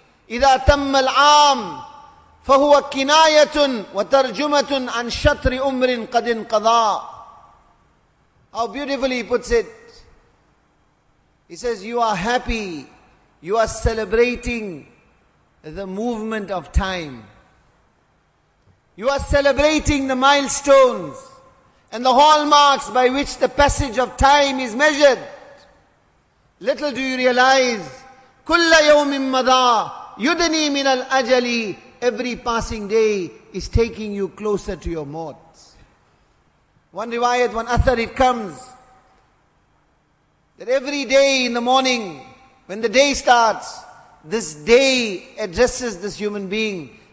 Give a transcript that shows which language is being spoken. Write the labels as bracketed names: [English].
[Arabic] إذا تم العام فهو كناية وترجمة عن شطر أمر قد انقضى. [English] How beautifully he puts it. He says, you are happy. You are celebrating the movement of time. You are celebrating the milestones and the hallmarks by which the passage of time is measured. Little do you realize, [Arabic] كل يوم مضى يُدْنِي مِنَ الْأَجَلِ. [English] Every passing day is taking you closer to your maut. One riwayat, one athar, it comes that every day in the morning, when the day starts, this day addresses this human being.